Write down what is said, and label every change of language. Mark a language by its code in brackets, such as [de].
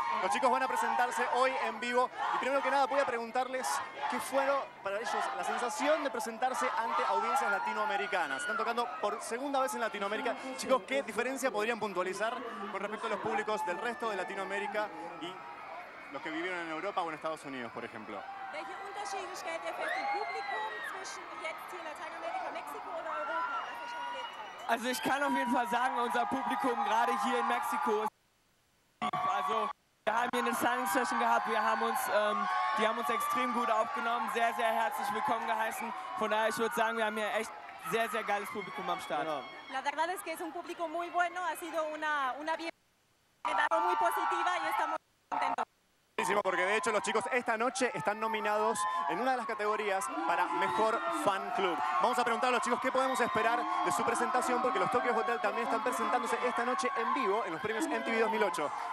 [es] Los chicos van a presentarse hoy en vivo. Y primero que nada, voy a preguntarles qué fueron para ellos la sensación de presentarse ante audiencias latinoamericanas. Están tocando por segunda vez en Latinoamérica. Chicos, ¿qué diferencia podrían puntualizar con respecto a los públicos del resto de Latinoamérica y los que vivieron en Europa o en Estados Unidos, por ejemplo? [de] Welche Unterschiede stellt ihr fest im Publikum zwischen jetzt hier Lateinamerika, Mexiko oder Europa? Was ihr schon erlebt habt? Also ich kann auf jeden Fall sagen, unser Publikum gerade hier in Mexiko ist lieb. Also wir haben hier eine Signing Session gehabt, wir haben uns, die haben uns extrem gut aufgenommen, sehr, sehr herzlich willkommen geheißen. Von daher, ich würde sagen, wir haben hier echt sehr, sehr geiles Publikum am Start. Genau. [es] La verdad es que es un público muy bueno, ha sido una bienvenida muy positiva y estamos contentos. Porque de hecho los chicos esta noche están nominados en una de las categorías para Mejor Fan Club. Vamos a preguntar a los chicos qué podemos esperar de su presentación, porque los Tokyo Hotel también están presentándose esta noche en vivo en los premios MTV 2008.